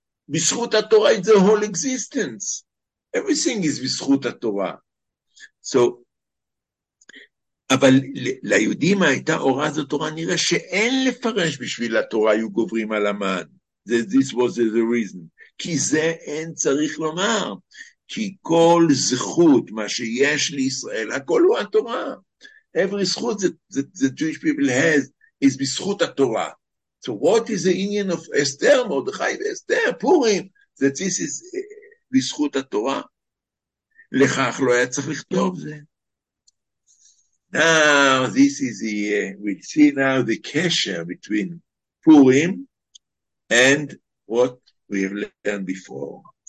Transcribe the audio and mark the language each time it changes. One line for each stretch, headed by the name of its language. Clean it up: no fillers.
English: Bishrut HaTorah is the whole existence. Everything is Bishrut HaTorah.
Hebrew: So, אבל ליהודים הייתה אורה זו תורה נראה שאין לפרש בשביל התורה יהיו גוברים על המן.
English: This was the reason.
Hebrew: כי זה אין צריך לומר. כי כל זכות, מה שיש לישראל, הכל הוא התורה.
English: Every זכות that Jewish people has is
Hebrew: בזכות התורה.
English: So what is the union of Esther, Mordechai Esther, Purim, that this is
Hebrew: לזכות התורה? לכך לא היה צריך לכתוב זה.
English: Now, this is we'll see now the קשר between Purim and what we have learned before.